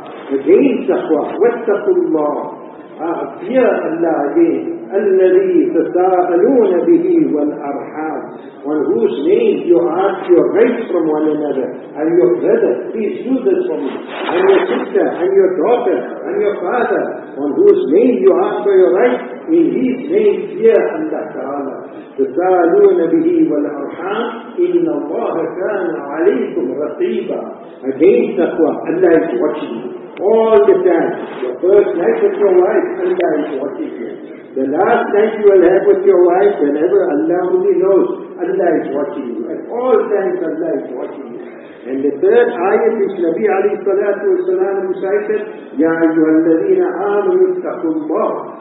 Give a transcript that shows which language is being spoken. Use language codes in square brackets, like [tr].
[en] Again, taqwa, wattaqu Allah, fear Allah again, alladhi tasa'aluna bihi wal arham, on whose name you ask your rights from one another, and your brother, please do this for me, and your sister, and your daughter, and your father, on whose name you ask for your rights, in his name fear Allah Ta'ala. [ar] تَسَالُونَ بِهِ وَالْأَرْحَامِ إِنَّ اللَّهَ كَانَ عَلَيْكُمْ رَقِيبًا. [en] Again, taqwa. Allah is watching you. all the time. The first night with your wife, Allah is watching you. The last night you will have with your wife, whenever Allah only knows, Allah is watching you. At all times Allah is watching you. And the third ayat which Nabi alayhi salatu wasalam recited, Ya ayyuhal ladheena aamanu taqullah.